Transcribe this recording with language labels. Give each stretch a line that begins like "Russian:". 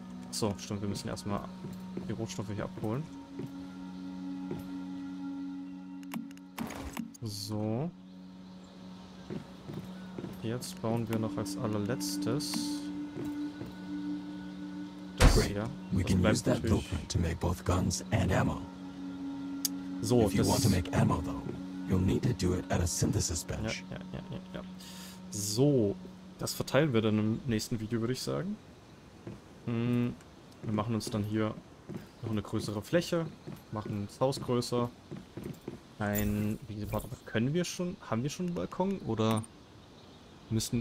German: So, stimmt, wir müssen erstmal die Rohstoffe hier abholen. So. Jetzt bauen wir noch als allerletztes das hier.
English: We can use that blueprint to make both guns and ammo. So, if you want to make ammo though, you'll need to do it at a synthesis bench.
German: Ja, ja, ja, ja, ja. So, das verteilen wir dann im nächsten Video, würde ich sagen. Wir machen uns dann hier noch eine größere Fläche, machen das Haus größer. Haben wir schon einen Balkon oder müssen...